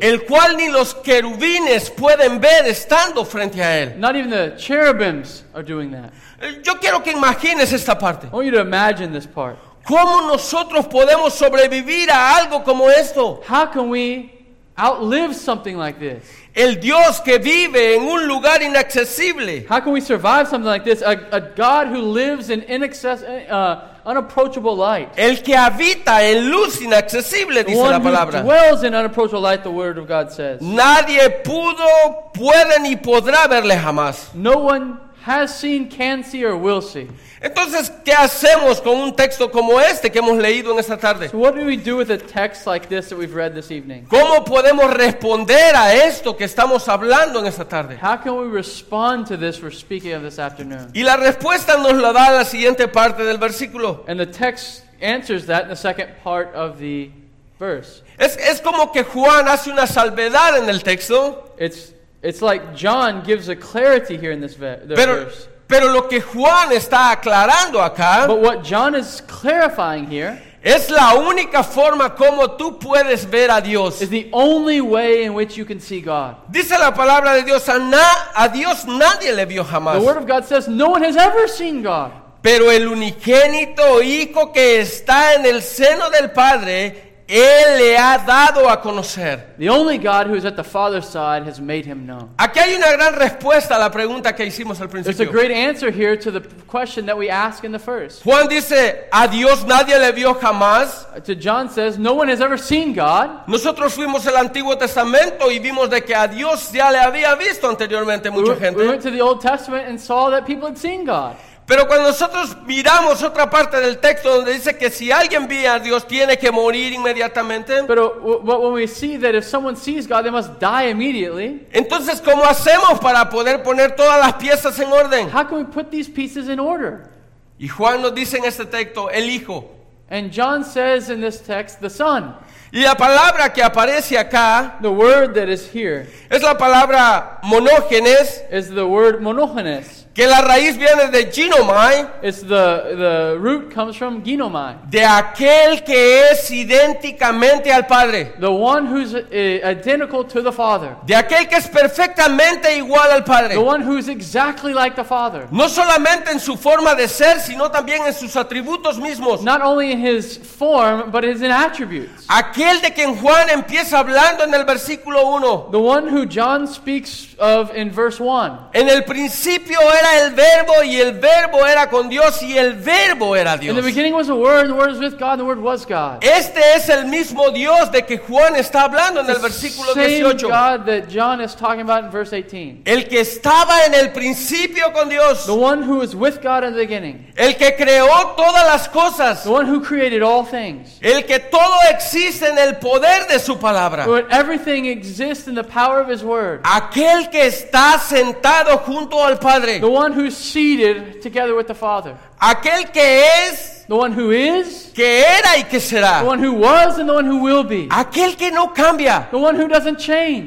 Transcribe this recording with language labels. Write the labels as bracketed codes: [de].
[es] El cual ni los querubines pueden ver estando frente a él. [en] Not even the cherubims are doing that. [es] Yo quiero que imagines esta parte. [en] I want you to imagine this part. [es] ¿Cómo nosotros podemos sobrevivir a algo como esto? [en] How can we outlive something like this? [es] El Dios que vive en un lugar inaccesible. [en] How can we survive something like this? A God who lives in unapproachable light. [es] El que habita en luz inaccesible, dice la palabra. [en] The one who dwells in unapproachable light, the word of God says. [es] Nadie pudo, puede ni podrá verle jamás. [en] No one has seen, can see, or will see. [es] Entonces, ¿qué hacemos con un texto como este que hemos leído en esta tarde? [en] So what do we do with a text like this that we've read this evening? [es] ¿Cómo podemos responder a esto que estamos hablando en esta tarde? [en] How can we respond to this we're speaking of this afternoon? [es] Y la respuesta nos la da la siguiente parte del versículo. [en] And the text answers that in the second part of the verse. [es] Es como que Juan hace una salvedad en el texto. [en] It's like John gives a clarity here in this verse. [es] Pero lo que Juan está aclarando acá. [en] But what John is clarifying here. [es] Es la única forma como tú puedes ver a Dios. [en] Is the only way in which you can see God. [es] Dice la palabra de Dios, a Dios nadie le vio jamás. [en] The word of God says no one has ever seen God. [es] Pero el unigénito Hijo que está en el seno del Padre. Él le ha dado a conocer. [en] The only God who is at the Father's side has made him known. [es] Aquí hay una gran respuesta a la pregunta que hicimos al principio. [en] There's a great answer here to the question that we ask in the first. [es] Juan dice, a Dios nadie le vio jamás. [en] To John says, no one has ever seen God. [es] Nosotros fuimos al Antiguo Testamento y vimos de que a Dios ya le había visto anteriormente mucha gente. [en] We went to the Old Testament and saw that people had seen God. [es] Pero cuando nosotros miramos otra parte del texto donde dice que si alguien ve a Dios tiene que morir inmediatamente. Pero [en] when we see that if someone sees God they must die immediately. [es] Entonces, ¿cómo hacemos para poder poner todas las piezas en orden? [en] How can we put these pieces in order? [es] Y Juan nos dice en este texto el Hijo. [en] And John says in this text the Son. [es] Y la palabra que aparece acá, [en] the word that is here, [es] es la palabra monógenes, [en] is the word monógenes. [es] Que la raíz viene de ginomai, [en] is the root comes from ginomai, [es] de aquel que es idénticamente al Padre, [en] the one who's identical to the Father, [es] de aquel que es perfectamente igual al Padre, [en] the one who's exactly like the Father, [es] no solamente en su forma de ser, sino también en sus atributos mismos, [en] not only in his form, but his attributes, [es] aquel de quien Juan empieza hablando en el versículo 1, [en] the one who John speaks of in verse 1, [es] en el principio era el verbo y el verbo era con Dios y el verbo era Dios. [en] In the beginning was the word was with God and the word was God. [es] Este es el mismo Dios de que Juan está hablando en el versículo 18. [en] Same God that John is talking about in verse 18. [es] El que estaba en el principio con Dios. [en] The one who was with God in the beginning. [es] El que creó todas las cosas. [en] The one who created all things. [es] El que todo existe en el poder de su palabra. [en] Where everything exists in the power of his word. [es] Aquel que está sentado junto al Padre. [en] The one who's seated together with the Father. [es] Aquel que es. [en] The one who is. [es] Que era y que será. [en] The one who was and the one who will be. [es] Aquel que no cambia. [en] The one who doesn't change.